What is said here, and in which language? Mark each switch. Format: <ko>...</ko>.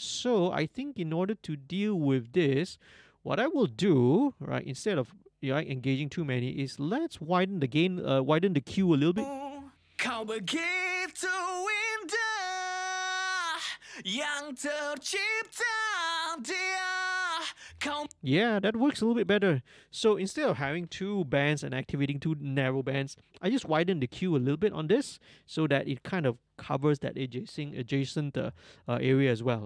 <en>So I think in order to deal with this, what I will do, right, instead of engaging too many, is let's widen the gain, widen the Q a little bit.</en> <id>Kau begitu indah yang tercipta dia.</id> <en>Yeah, that works a little bit better. So instead of having two bands and activating two narrow bands, I just widen the Q a little bit on this so that it kind of covers that adjacent area as well.</en>